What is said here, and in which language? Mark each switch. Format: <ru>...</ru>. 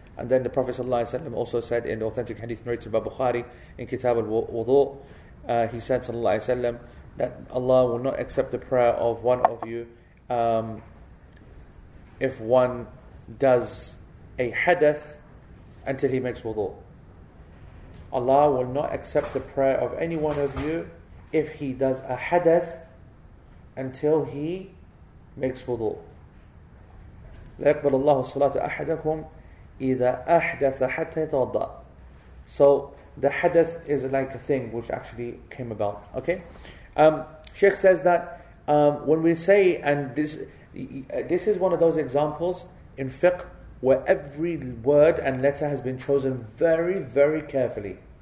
<en>And then the Prophet ﷺ also said in the authentic hadith narrated by Bukhari in Kitab al-Wudu, he said ﷺ that Allah will not accept the prayer of one of you if one does a hadith until he makes wudu. Allah will not accept the prayer of any one of you if he does a hadith until he makes wudu.</en> <ar>لا يقبل الله صلاة أحدكم إذا أحدث حتى يتوضا.</ar> <en>So the hadith is like a thing which actually came about. Okay, Sheikh says that When we say, and this is one of those examples in fiqh where every word and letter has been chosen very, very carefully.</en>